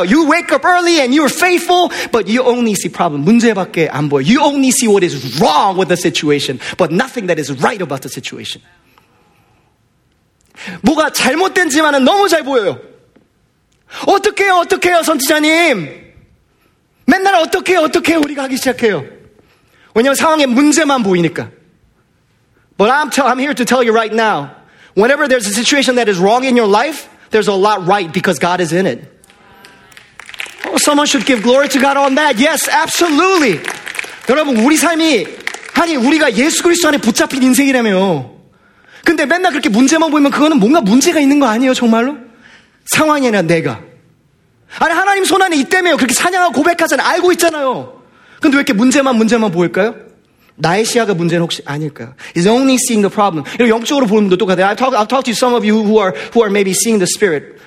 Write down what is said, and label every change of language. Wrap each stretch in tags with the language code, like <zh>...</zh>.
<en>You wake up early and you're faithful, but you only see problems.</en> <ko>문제밖에 안 보여.</ko> <en>You only see what is wrong with the situation, but nothing that is right about the situation.</en> <ko>뭐가 잘못된지만은 너무 잘 보여요. 어떡해요, 어떡해요, 선지자님. 맨날 어떡해요, 어떡해요, 우리가 하기 시작해요. 왜냐면 상황에 문제만 보이니까.</ko> <en>But I'm here to tell you right now, whenever there's a situation that is wrong in your life, there's a lot right because God is in it. Oh, someone should give glory to God on that. Yes, absolutely.</en> <ko>여러분, 우리 삶이 아니 우리가 예수 그리스도 안에 붙잡힌 인생이라며요. 근데 맨날 그렇게 문제만 보이면 그거는 뭔가 문제가 있는 거 아니에요, 정말로? 상황이 아니라 내가. 아니 하나님 손 안에 있다며요. 그렇게 찬양하고 고백하잖아요. 알고 있잖아요. 근데 왜 이렇게 문제만 보일까요? 나의 시야가 문제는 혹시 아닐까요?</ko> <en>He's only seeing the problem.</en> <ko>영적으로 보는 분도 똑같아요.</ko> <en>I've talked to some of you who are maybe seeing the spirit.</en>